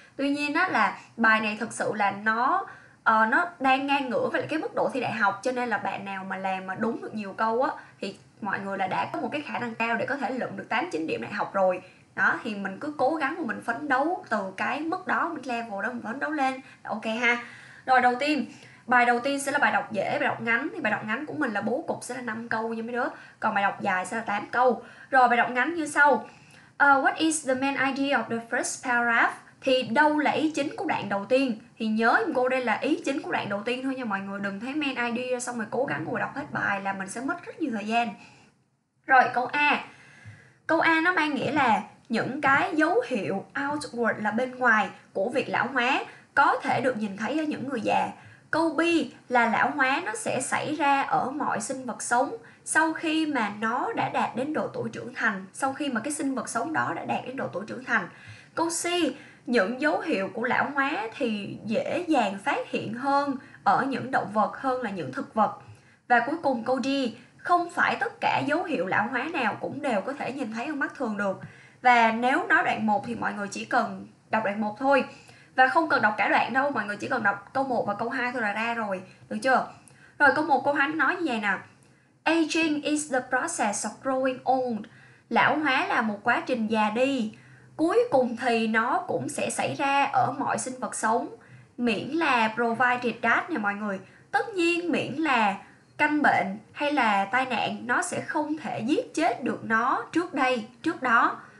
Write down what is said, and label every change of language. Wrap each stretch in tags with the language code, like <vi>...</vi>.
<vi>Tuy nhiên á, là bài này thực sự là nó đang ngang ngửa với cái mức độ thi đại học. Cho nên là bạn nào mà làm mà đúng được nhiều câu á, thì mọi người là đã có một cái khả năng cao để có thể lượm được 8-9 điểm đại học rồi. Đó, thì mình cứ cố gắng và mình phấn đấu từ cái mức đó, mình level đó mình phấn đấu lên. Ok ha. Rồi đầu tiên, bài đầu tiên sẽ là bài đọc dễ, bài đọc ngắn. Thì bài đọc ngắn của mình là bố cục sẽ là 5 câu nha mấy đứa. Còn bài đọc dài sẽ là 8 câu. Rồi bài đọc ngắn như sau.</vi> <en>What is the main idea of the first paragraph?</en> <vi>Thì đâu là ý chính của đoạn đầu tiên? Thì nhớ giùm cô đây là ý chính của đoạn đầu tiên thôi nha mọi người. Đừng thấy main idea xong rồi cố gắng ngồi đọc hết bài là mình sẽ mất rất nhiều thời gian. Rồi câu A. Câu A nó mang nghĩa là những cái dấu hiệu outward là bên ngoài của việc lão hóa có thể được nhìn thấy ở những người già. Câu B là lão hóa nó sẽ xảy ra ở mọi sinh vật sống sau khi mà nó đã đạt đến độ tuổi trưởng thành, sau khi mà cái sinh vật sống đó đã đạt đến độ tuổi trưởng thành. Câu C, những dấu hiệu của lão hóa thì dễ dàng phát hiện hơn ở những động vật hơn là những thực vật. Và cuối cùng câu D, không phải tất cả dấu hiệu lão hóa nào cũng đều có thể nhìn thấy bằng mắt thường được. Và nếu nói đoạn 1 thì mọi người chỉ cần đọc đoạn 1 thôi. Và không cần đọc cả đoạn đâu, mọi người chỉ cần đọc câu 1 và câu 2 thôi là ra rồi. Được chưa? Rồi câu 1 câu 2 nói như vậy nè.</vi> <en>Aging is the process of growing old.</en> <vi>Lão hóa là một quá trình già đi. Cuối cùng thì nó cũng sẽ xảy ra ở mọi sinh vật sống. Miễn là</vi> <en>provided that</en> <vi>nè mọi người. Tất nhiên miễn là căn bệnh hay là tai nạn nó sẽ không thể giết chết được nó trước đây, trước đó.</vi>